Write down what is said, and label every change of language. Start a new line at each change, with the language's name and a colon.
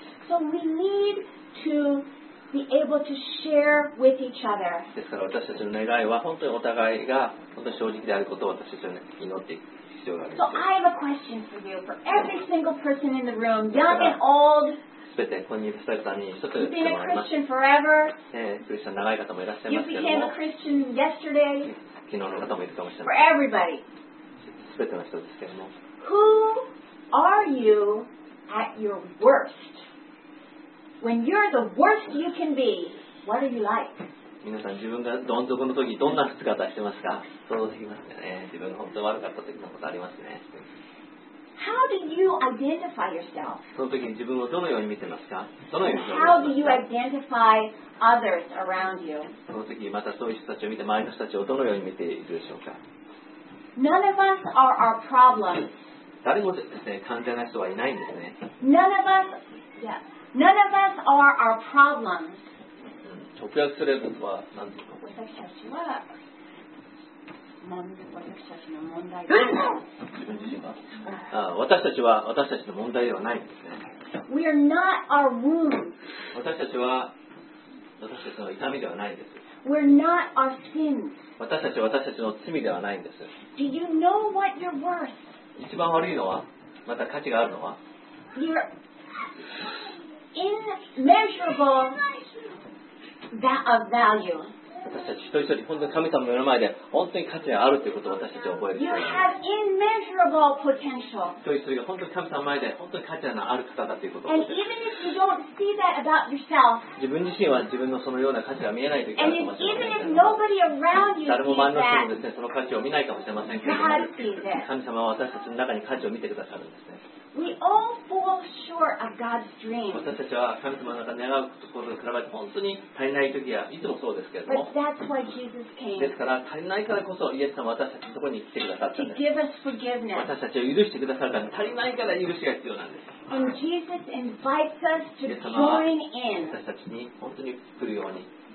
English: So we need to. Be able to share with each other.
Japanese: ですから私たちの願いは本当にお互いが本当に正直であることを私たちは、ね、祈っていく必要があります。
English: So I have a question for you, for every single person in the room, young and old.
Japanese: すべてここにいる人々に一つ質問あります。
English: You've been a Christian forever.
Japanese: クリスチャン長い方もいらっしゃいますけども。
English: You became a Christian yesterday.
Japanese: 昨日の方もいるかもしれません
English: 。 For everybody.
Japanese: すべての人ですけども。
English: Who are you at your worst? When you're the worst you can be, what are you like?
Japanese: 皆さん自分がどん底の時どんな姿してますか？想像できますかね。自分が本当に悪かった時のことありますね。
English: How do you identify yourself?
Japanese: その時に自分をどのように見てますか？どのように見てますか？
English: How do you identify others around you?
Japanese: その時にまたそういう人たちを見て周りの人たちをどのように見ているでしょうか？
English: None of us are our problems.
Japanese: 誰もですね、関係ない人はいないんですね。
English: None of us, yeah.None of us are our problems.
Japanese: 直訳すればは何ですか。私たちは私たちの問題ではない。私たちは私たちの問題ではないですね。
English: We are not our wounds.
Japanese: 私たちの痛みではないんです。
English: We're not our sins.
Japanese: 私たちの罪ではないんです。
English: Do you know what you're worth?
Japanese: 一番悪いのは、また価値があるのは、
English: You're immeasurable that of value.
Japanese: 私たち一人一人本当に神様の目の前で本当に価値があるということを私たちは覚えています。
English: You have immeasurable potential.
Japanese: 一人一人本当に神様の前で本当に価値のある方だということを。
English: And even if you don't see that about yourself,
Japanese: 自分自身は自分のそのような価値が見えないときは、
English: And even if nobody around you sees that,
Japanese: 誰も周りの人もですね、その価値を見ないかもしれませんけれども、神様は私たちの中に価値を見てくださるんですね。
English: We all fall short of God's dream.
Japanese: 私たちは神様の中で願うところに比べて本当に足りない時はいつもそうですけれども。
English: But that's why Jesus came.
Japanese: ですから足りないからこそイエス様は私たちのところに来てくださったんです。
English: To give us forgiveness.
Japanese: 私たちを許してくださるから足りないから許しが必要なんです。
English: And Jesus invites us to join in.
Japanese: 私たちに本当に来るように。